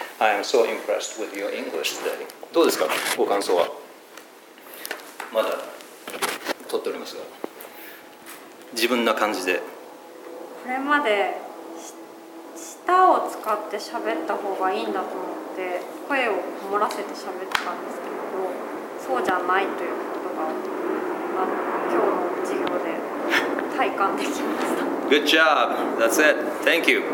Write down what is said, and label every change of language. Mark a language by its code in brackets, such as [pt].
[en] I am so impressed with your English today. [ja] どうですか？ご感想は？まだ撮っておりますが、自分な感じで。これまで舌を使って喋った方がいいんだと思って、声をこもらせて喋ってたんですけど、そうじゃないということが、今日の授業で体感できました。 [en] Good job. That's it. Thank you.